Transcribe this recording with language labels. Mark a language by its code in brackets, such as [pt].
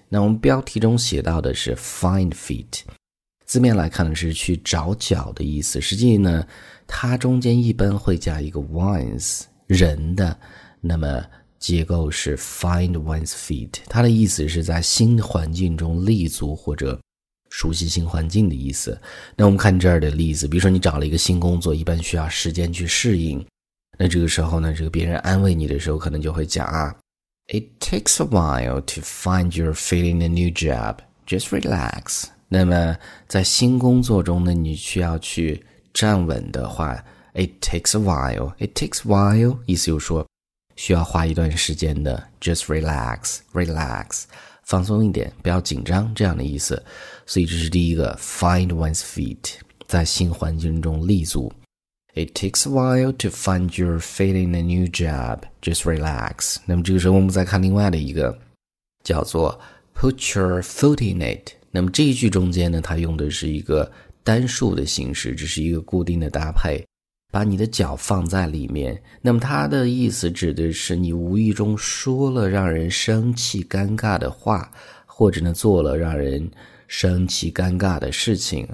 [zh] 那我们标题中写到的是 find feet。字面来看的是去找脚的意思，实际呢，它中间一般会加一个 one's。人的，那么结构是 find one's feet， 它的意思是在新环境中立足或者熟悉新环境的意思。那我们看这儿的例子，比如说你找了一个新工作，一般需要时间去适应。那这个时候呢，这个别人安慰你的时候，可能就会讲啊 ， [en] It takes a while to find your feet in a new job. Just relax。 [zh] 那么在新工作中呢，你需要去站稳的话。 [en] It takes a while, [zh] 意思就是说需要花一段时间的 [en] Just relax, [zh] 放松一点，不要紧张，这样的意思。所以这是第一个 Find one's feet， 在新环境中立足。 [en] It takes a while to find your feet in a new job. Just relax. [zh] 那么这个时候我们再看另外的一个，叫做 [en] Put your foot in it. [zh] 那么这一句中间呢，它用的是一个单数的形式，这是一个固定的搭配，把你的脚放在里面。那么它的意思指的是你无意中说了让人生气尴尬的话，或者呢做了让人生气尴尬的事情。